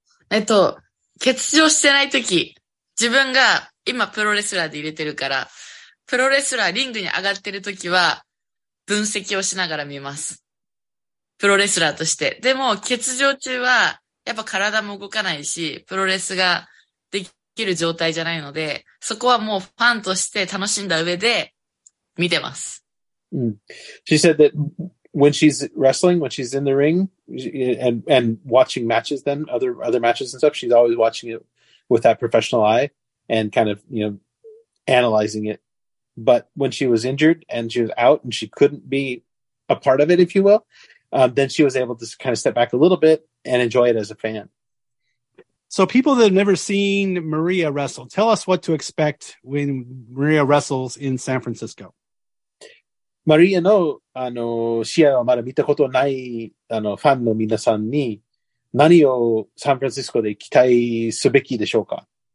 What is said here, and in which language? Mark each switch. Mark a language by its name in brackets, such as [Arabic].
[Japanese] 欠場してないとき、自分が今プロレスラーで入れてるから、プロレスラーリングに上がってるときは、分析をしながら見ます。プロレスラーとして。でも、欠場中は、やっぱ体も動かないし、プロレスが、できる状態じゃないので、そこはもうファンとして楽しんだ上で見てます。 Mm. [English] She said that when she's wrestling, when she's in the ring and watching matches, then other matches and stuff, she's always watching it with that professional eye and kind of, you know, analyzing it. But when she was injured and she was out and she couldn't be a part of it, if you will, then she was able to kind of step back a little bit and enjoy it as a fan. So people that have never seen Maria wrestle, tell us what to expect when Maria wrestles in San Francisco. [Japanese] Maria の、試合をまだ見たことない、ファンの皆さんに何をサンフランシスコで期待すべきでしょうか？